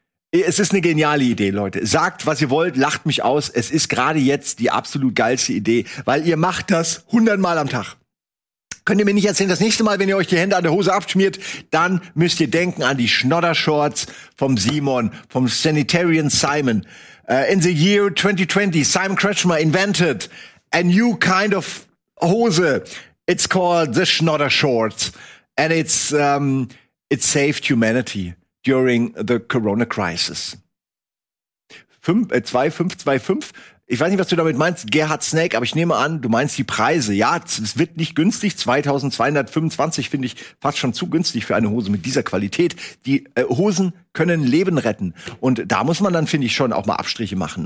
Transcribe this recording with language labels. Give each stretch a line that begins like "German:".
German: Es ist eine geniale Idee, Leute. Sagt, was ihr wollt, lacht mich aus. Es ist gerade jetzt die absolut geilste Idee, weil ihr macht das 100 Mal am Tag. Könnt ihr mir nicht erzählen, das nächste Mal, wenn ihr euch die Hände an der Hose abschmiert, dann müsst ihr denken an die Schnoddershorts vom Simon, vom Sanitarian Simon.
English: In the year 2020, Simon Kretschmer invented a new kind of Hose. It's called the Schnoddershorts. And it saved humanity during the Corona crisis.
German: 2525. Ich weiß nicht, was du damit meinst, Gerhard Snake, aber ich nehme an, du meinst die Preise. Ja, es wird nicht günstig. 2225 finde ich fast schon zu günstig für eine Hose mit dieser Qualität. Die Hosen können Leben retten. Und da muss man dann, finde ich, schon auch mal Abstriche machen.